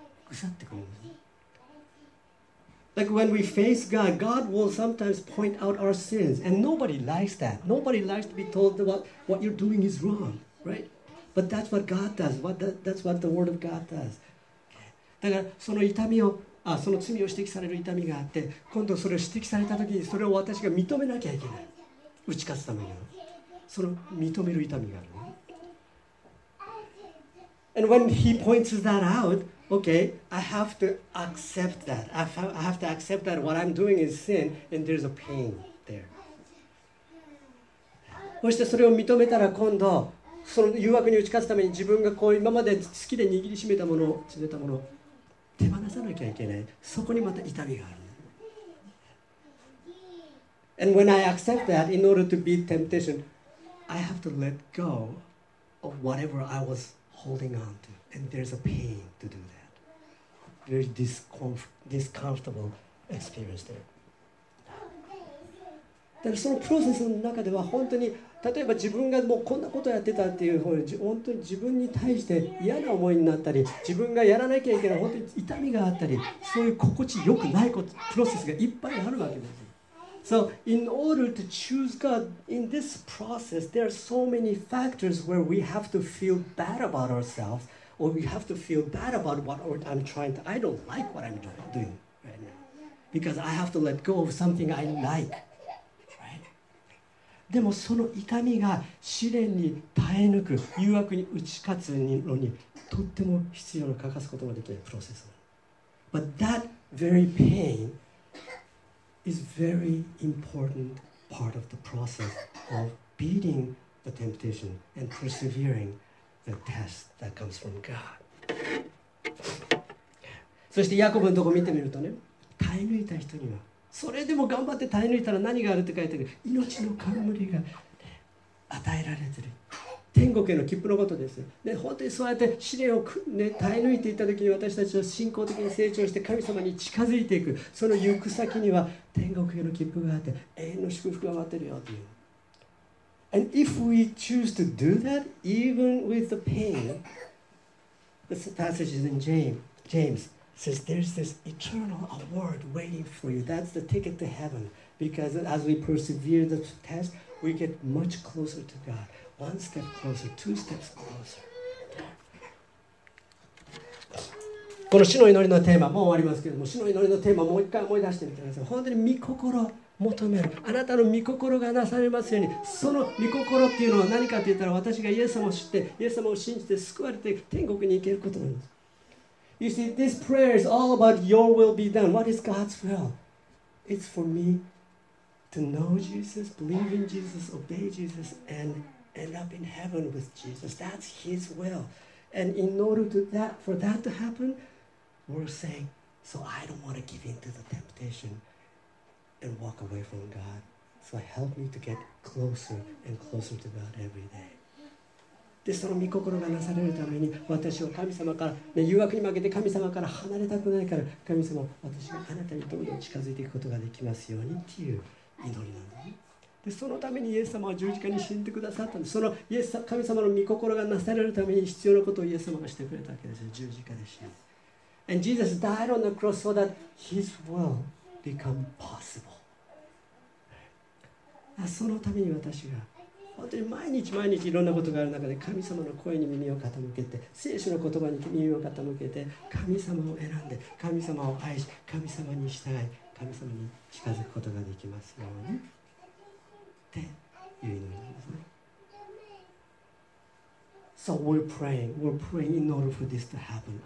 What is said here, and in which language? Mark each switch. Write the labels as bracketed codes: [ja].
[ja] ぐさってくるんです。 [en] Like when we face God, God will sometimes point out our sins, and nobody likes that. Nobody likes to be told that what you're doing is wrong, right? But that's what God does. That's what the Word of God does. [ja] だからその痛みをその罪を指摘される痛みがあって、今度それを指摘された時にそれを私が認めなきゃいけない、打ち勝つためには。その認める痛みがある、ね、 [en] And when he points that out, okay, I have to accept that. I have to accept that what I'm doing is sin and there's a pain there. [ja] そしてそれを認めたら今度その誘惑に打ち勝つために自分がこう今まで好きで握りしめたものを詰めたもの手放さなきゃいけない。そこにまた痛みがある。 [en] And when I accept that, in order to beat temptation, I have to let go of whatever I was holding on to. And there's a pain to do that. Very discomfortable experience there. [ja] だからそのプロセスの中では本当に例えば自分がもうこんなことやってたっていう方に本当に自分に対して嫌な思いになったり自分がやらなきゃいけない本当に痛みがあったりそういう心地よくないことプロセスがいっぱいあるわけです。 [en] So in order to choose God, in this process, there are so many factors where we have to feel bad about ourselves, or we have to feel bad about what I'm trying to. I don't like what I'm doing right now, because I have to let go of something I like. [ja] でもその痛みが試練に耐え抜く誘惑に打ち勝つのにとっても必要な欠かすことができるプロセス。 [en] But that very pain is very important part of the process of beating the temptation and persevering the test that comes from God. [ja] そしてヤコブのとこ見てみるとね、耐え抜いた人には。それでも頑張って耐え抜いたら何があるって書いてある。命の冠が与えられてる、天国への切符のことです。で本当にそうやって試練を、ね、耐え抜いていった時に私たちは信仰的に成長して神様に近づいていく、その行く先には天国への切符があって永遠の祝福が待ってるよという。 [en] And if we choose to do that even with the pain, this passage is in James says there's this eternal award waiting for you. That's the ticket to heaven. Because as we persevere the test, we get much closer to God. One step closer, two steps closer. [ja] この主の祈りのテーマ、もう終わりますけども、主の祈りのテーマ、もう一回思い出してみてください。本当に御心を求める。あなたの御心がなされますように。その御心っていうのは何かって言ったら、私がイエス様を知って、イエス様を信じて救われて天国に行けることなんです。 [en] You see, this prayer is all about your will be done. What is God's will? It's for me to know Jesus, believe in Jesus, obey Jesus, and end up in heaven with Jesus. That's His will. And in order for that to happen, we're saying, so I don't want to give in to the temptation and walk away from God. So help me to get closer and closer to God every day. [ja] でその御心がなされるために私を神様から、ね、誘惑に負けて神様から離れたくないから神様私があなたにどんどん近づいていくことができますようにっていう祈りなんだね。でそのためにイエス様は十字架に死んでくださったんです。そのイエス様神様の御心がなされるために必要なことをイエス様がしてくれたわけですよ、十字架で死ん。 [en] And Jesus died on the cross so that His will become possible. [ja] そのために私が本当に毎日毎日いろんなことがある中で神様の声に耳を傾けて聖書の言葉に耳を傾けて神様を選んで神様を愛し神様に従い神様に近づくことができますようにっていう意味なんですね。 [en] So we're praying in order for this to happen.